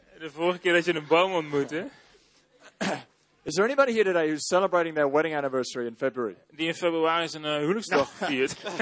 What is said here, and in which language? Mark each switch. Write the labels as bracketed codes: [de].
[nl] De vorige keer dat je een boom ontmoette. [en] Is there anybody here today who's celebrating their wedding anniversary in February? [nl] Die in februari zijn huwelijksdag viert.